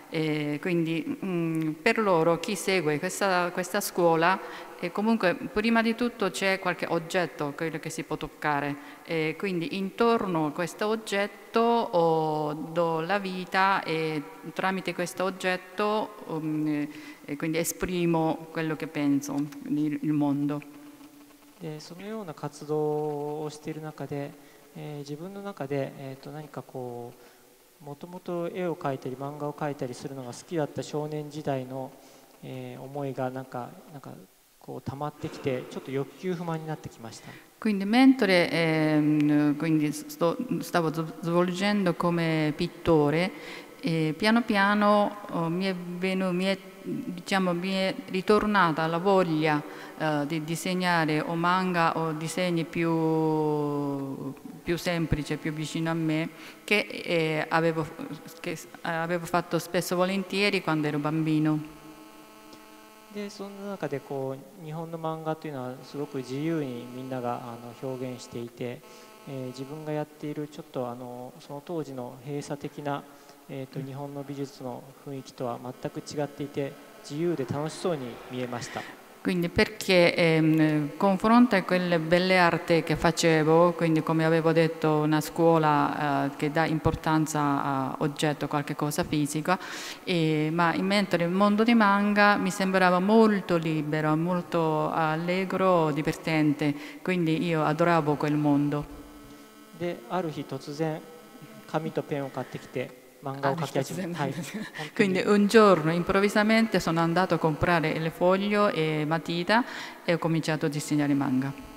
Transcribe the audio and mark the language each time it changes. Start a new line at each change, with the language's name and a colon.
Italian: Quindi per loro chi segue questa scuola, comunque prima di tutto c'è qualche oggetto, quello che si può toccare, quindi intorno a questo oggetto do la vita e tramite questo oggetto quindi esprimo quello che penso, il mondo.
Japanese: E そのような活動をしている中で、自分の中で、何かこうもともと絵を描いたり漫画を描いたりするのが好きだった少年時代の、思いがなんかこう溜まってきてちょっと欲求不満になってきました。
Italian: Quindi mentre quindi stavo svolgendo come pittore, piano piano mi è ritornata la voglia di disegnare o manga o disegni più semplice, più vicino a me, che avevo fatto spesso volentieri quando ero bambino.
Japanese: E その中でこう日本の漫画というのはすごく自由にみんなが表現していて、自分がやっているちょっとその当時の閉鎖的な日本の美術の雰囲気とは全く違っていて、自由で楽しそうに見えました。
Italian: Quindi perché confronta quelle belle arti che facevo, quindi come avevo detto una scuola che dà importanza a oggetto, qualche cosa fisica, ma mentre il mondo di manga mi sembrava molto libero, molto allegro, divertente, quindi io adoravo quel mondo.
Japanese: De, ある日突然紙とペンを買ってきて漫画を描き始めた。
Italian: Quindi un giorno improvvisamente sono andato a comprare il foglio e matita e ho cominciato a disegnare manga.